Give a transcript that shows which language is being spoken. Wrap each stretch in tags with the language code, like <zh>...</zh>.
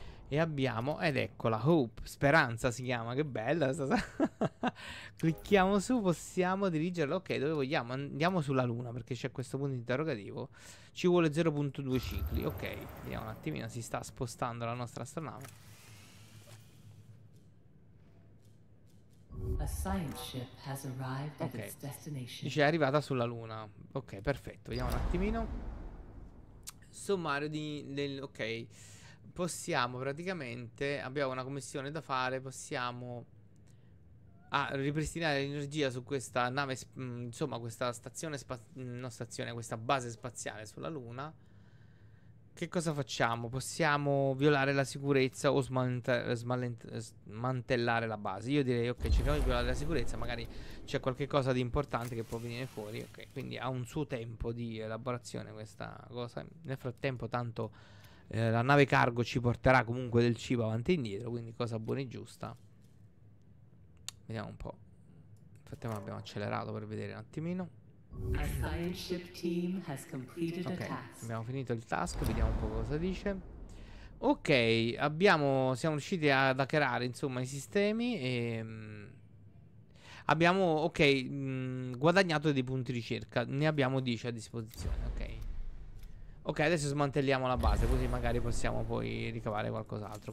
<it>E abbiamo, ed eccola, Hope, speranza si chiama, che bella. Clicchiamo su, possiamo dirigerla. Ok, dove vogliamo? Andiamo sulla luna, perché c'è questo punto interrogativo. Ci vuole 0.2 cicli. Ok, vediamo un attimino, si sta spostando la nostra astronave.</it> <en>A science ship has arrived at its destination.</en> <it>Dice è arrivata sulla luna. Ok, perfetto. Vediamo un attimino. sommario ok, possiamo praticamente, abbiamo una commissione da fare, possiamo ripristinare l'energia su questa nave, insomma, questa stazione spaziale, non stazione, questa base spaziale sulla Luna. Che cosa facciamo? Possiamo violare la sicurezza o smantellare la base? Io direi, ok, cerchiamo di violare la sicurezza, magari c'è qualche cosa di importante che può venire fuori. Ok, quindi ha un suo tempo di elaborazione questa cosa. Nel frattempo, tanto la nave cargo ci porterà comunque del cibo avanti e indietro, quindi cosa buona e giusta. Vediamo un po'. Infatti abbiamo accelerato per vedere un attimino.</it> <en>Our science ship team has completed a Ok, task.</en> <it>abbiamo finito il task, vediamo un po' cosa dice. Ok, siamo riusciti ad hackerare, insomma, i sistemi. Abbiamo, ok, guadagnato dei punti ricerca. Ne abbiamo 10 a disposizione, ok. Ok, adesso smantelliamo la base, così magari possiamo poi ricavare qualcos'altro.</it>